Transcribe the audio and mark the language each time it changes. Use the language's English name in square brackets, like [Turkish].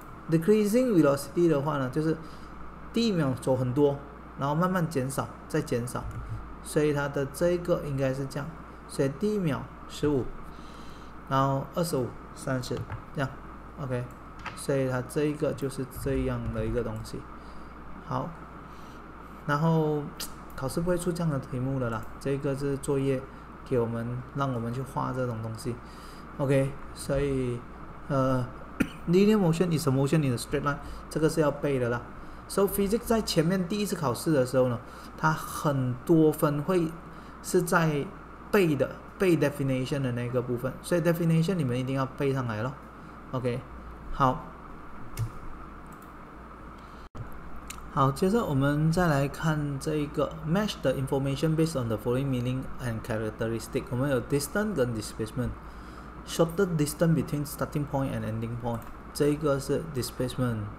[English] Decreasing velocity [Chinese] 的话呢，就是第一秒走很多，然后慢慢减少，再减少，所以它的这个应该是这样，所以第一秒十五，然后25、30这样，OK，所以它这一个就是这样的一个东西，好，然后考试不会出这样的题目的啦，这个是作业给我们让我们去画这种东西。 [English] OK， [Chinese] 所以 [English] linear motion is a motion in a straight line， [Chinese] 这个是要背的啦。 So physics 在前面第一次考试的时候呢，它很多分会是在背的，背 definition 的那个部分，所以 definition 你们一定要背上来咯。 OK，好。好，接着我们再来看这一个 [English] match the information based on the following meaning and characteristic。 [Chinese] 我们有 [English] distance 跟 displacement，shorter distance between starting point and ending point， [Chinese] 这一个是 [English] displacement。